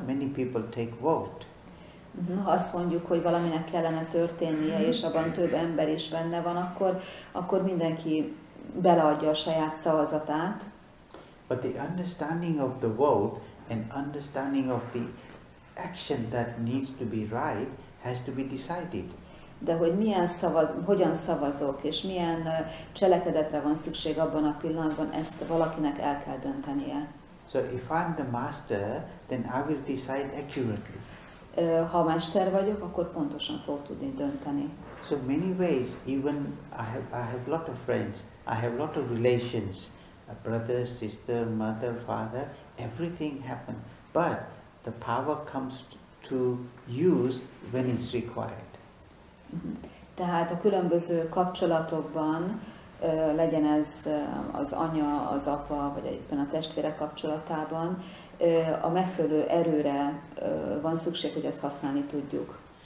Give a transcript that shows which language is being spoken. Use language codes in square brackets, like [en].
[en] Many people take vote. [hu] Azt mondjuk, hogy valaminek kellene történnie, és abban több ember is benne van, akkor mindenki beleadja a saját szavazatát. [en] But the understanding of the vote and understanding of the action that needs to be right has to be decided. [hu] De hogy hogyan szavazok, és milyen cselekedetre van szükség abban a pillanatban, ezt valakinek el kell döntenie. [en] So if I'm the master, then I will decide accurately. [hu] Ha mester vagyok, akkor pontosan fog tudni dönteni. [en] So many ways, even I have lot of friends, I have lot of relations, a brother, sister, mother, father, everything happened, but the power comes to use when it's required. [hu] Tehát a különböző kapcsolatokban, legyen ez az anya, az apa, vagy éppen a testvére kapcsolatában, a megfelelő erőre van szükség, hogy azt használni tudjuk.